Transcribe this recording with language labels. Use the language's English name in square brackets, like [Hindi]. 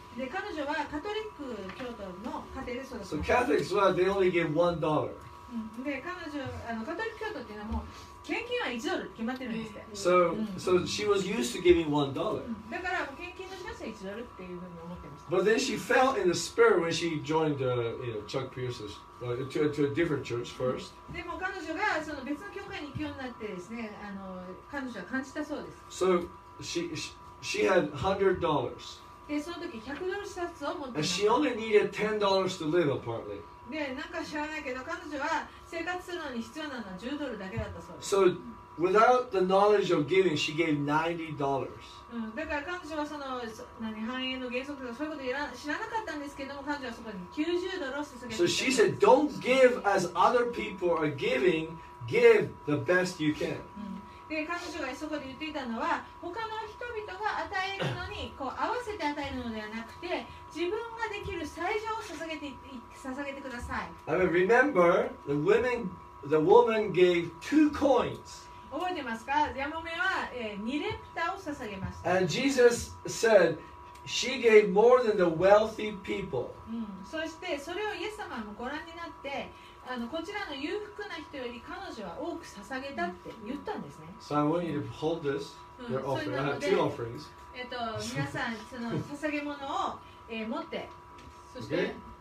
[Japanese] で、彼女はカトリック教徒の家庭で育った。 [English] So Catholics は、they only gave $1. [Japanese] で、彼女、あのカトリック教徒っていうのはもう献金は1ドル決まってるんですって。 [English] So,、so she was used to giving $1. [Japanese] だから献金の人は1ドルっていうふうに思ってました。 [English] But then she fell in the spirit when she joined you know, Chuck Pierce'sto a different church first. [Japanese] でも彼女がその別の教会に行くようになってですね、あの彼女は感じたそうです。 [English] So she had $100. [Japanese] でその時100ドル札を持っていました。 [English] And she only needed $10 to live apparently. [Japanese] でなんか知らないけど彼女は生活するのに必要なのは10ドルだけだったそうです。 [English] So without the knowledge of giving, she gave $90. [Japanese] だから彼女はその何繁栄の原則とかそういうこと知らなかったんですけども、彼女はそこに90ドルを捧げて。 [English] So she said, don't give as other people are giving, give the best you can. [Japanese] で、彼女がそこで言っていたのは、他の人々が与えるのにこう合わせて与えるのではなくて、自分ができる最上を捧げてください。 [English] I mean, remember, the woman gave two coins. [Japanese] 覚えてますか？ヤモメは、ニレプタを捧げました。 [English] And Jesus said, she gave more than the wealthy people.、 [Japanese] うん、そしてそれをイエス様もご覧になって、あのこちらの裕福な人より彼女は多く捧げたって言ったんですね。 [English] So I want you to hold this. Your offering. I have two offerings. [Japanese] 皆さんその捧げ物を、持って、そして、okay.